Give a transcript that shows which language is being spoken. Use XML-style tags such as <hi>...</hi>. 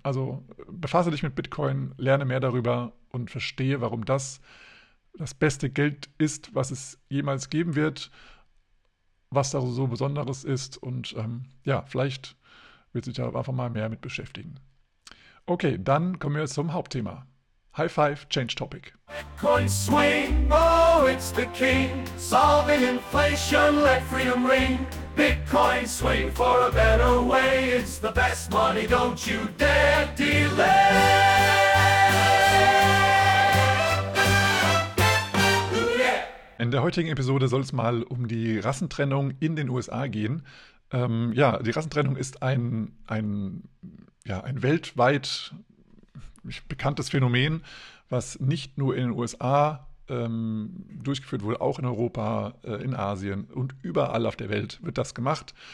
<de>Also befasse dich mit Bitcoin, lerne mehr darüber und verstehe, warum das beste Geld ist, was es jemals geben wird, was da so Besonderes ist, und ja, vielleicht willst du dich da einfach mal mehr mit beschäftigen. Okay, dann kommen wir zum Hauptthema.</de> <en>High five, change topic. Bitcoin swing, oh, it's the king. Solving inflation, let freedom ring. Bitcoin swing for a better way. It's the best money, don't you dare delay.</en> <de>In der heutigen Episode soll es mal um die Rassentrennung in den USA gehen. Ja, die Rassentrennung ist ein weltweit bekanntes Phänomen, was nicht nur in den USA durchgeführt wurde, auch in Europa, in Asien und überall auf der Welt wird das gemacht.</de>